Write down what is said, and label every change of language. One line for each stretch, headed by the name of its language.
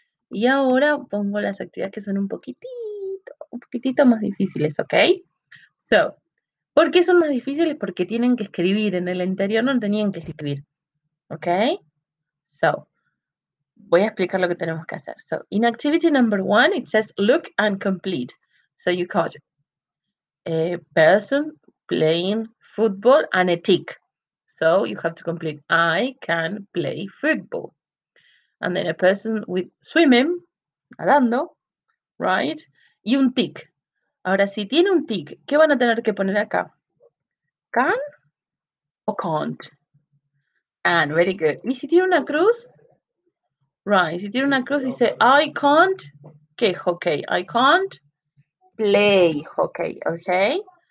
Spanish: Y ahora pongo las actividades que son un poquitito más difíciles, okay? So, ¿por qué son más difíciles? Porque tienen que escribir. En el anterior no tenían que escribir. ¿Ok? So, voy a explicar lo que tenemos que hacer.
English: So, in activity number one, it says look and complete. So, you got a person playing football and a tick. So, you have to complete. I can play football. And then a person with swimming, nadando, right?
Spanish: Y un tick. Ahora, si tiene un tic, ¿qué van a tener que poner acá?
English: ¿Can o can't? And, very good.
Spanish: ¿Y si tiene una cruz? Right, si tiene una cruz, dice,
English: I can't,
Spanish: ¿qué hockey?
English: I can't play hockey, ¿ok?